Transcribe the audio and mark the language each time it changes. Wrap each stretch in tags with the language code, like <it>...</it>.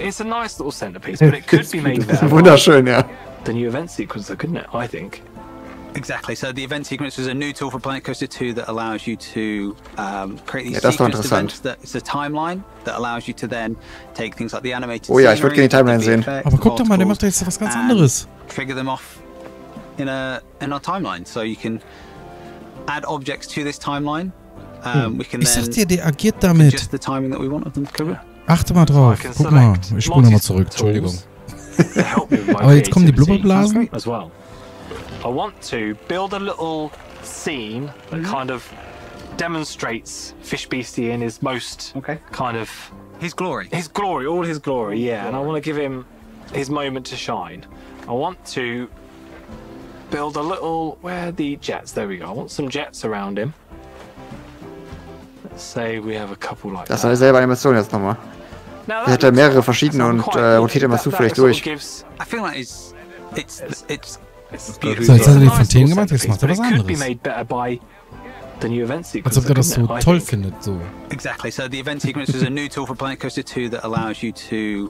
<en>It's a nice little centerpiece, but it could be made better.</en> <de>Wunderschön, ja.</de> <en>The new event sequencer, couldn't it? I think. Exactly. So the event sequencer is a new tool for Planet Coaster 2 that allows you to create these sequences. It's a timeline that allows you to then take things like the animated.</en> <de>Oh ja, ich würde gerne die Timeline sehen. Aber guck doch mal, der macht jetzt was ganz anderes.</de> <en>Trigger them off in a timeline, so you can add objects to this timeline. We can then.</en> <de>Ich sag dir, der agiert damit.</de> <en>Adjust the timing that we want of them.</en> <de>Achte mal drauf. Guck mal, ich spule nochmal zurück. Entschuldigung. Aber jetzt kommen die Blubberblasen.</de> <en>I want to build a little scene that kind of demonstrates Fish Beastie in his most kind of his glory, all his glory, yeah. And I want to give him his moment to shine. I want to build a little where are the jets. There we go. I want some jets around him. Let's say we have a couple like</en> <de>das</de> <en>that.</en> <de>Das ist selber Animation jetzt nochmal. Er hat ja mehrere verschiedene und rotiert immer zufällig durch.</de> <en>Gives, I feel like it's</en> <de>so, jetzt hat er die Fontänen gemacht, jetzt macht er was anderes.</de> <en>Could be made better by the new event sequence.</en> <de>Als ob er das so toll findet, so.</de> <en>Exactly. So the event sequence is a new tool for Planet Coaster 2 that allows you to</en>